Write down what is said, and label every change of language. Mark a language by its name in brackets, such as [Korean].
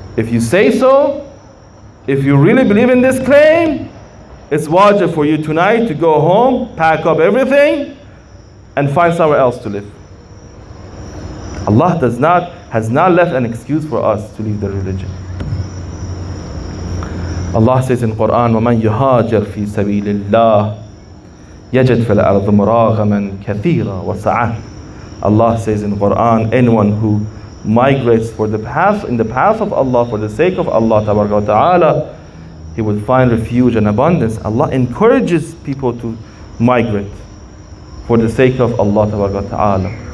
[English] If you say so, if you really believe in this claim, it's wajib for you tonight to go home, pack up everything, and find somewhere else to live. Allah has not left an excuse for us to leave the religion. Allah says in Quran, [Arabic] وَمَنْ يُهَاجَرْ فِي سَبِيلِ اللَّهِ يَجَدْ فِي الْأَرْضِ مُرَاغَمًا كَثِيرًا وَسَعَةً. [English] Allah says in Quran, anyone who migrates in the path of Allah, for the sake of Allah Tabaraka wa Ta'ala, he will find refuge and abundance. Allah encourages people to migrate for the sake of Allah Ta'ala.